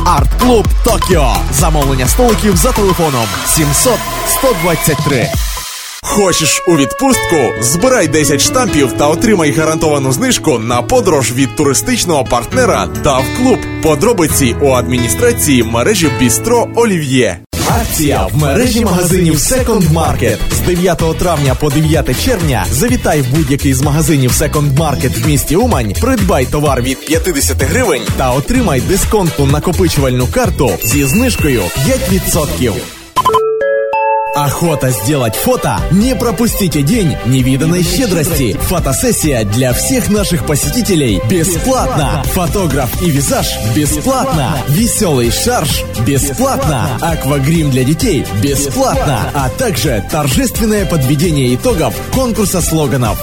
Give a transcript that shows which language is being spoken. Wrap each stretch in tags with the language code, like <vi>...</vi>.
<uk>Арт-клуб Токіо. Замовлення столиків за телефоном 700-123. Хочеш у відпустку? Збирай 10 штампів та отримай гарантовану знижку на подорож від туристичного партнера DAV-клуб. Подробиці у адміністрації мережі Бістро Олів'є. Акція в мережі магазинів Second Market. З 9 травня по 9 червня завітай в будь-який з магазинів Second Market в місті Умань, придбай товар від 50 гривень та отримай дисконтну накопичувальну карту зі знижкою 5%.</uk> <ru>Охота сделать фото? Не пропустите день невиданной щедрости. Фотосессия для всех наших посетителей бесплатно. Фотограф и визаж бесплатно. Веселый шарж бесплатно. Аквагрим для детей бесплатно. А также торжественное подведение итогов конкурса слоганов.</ru>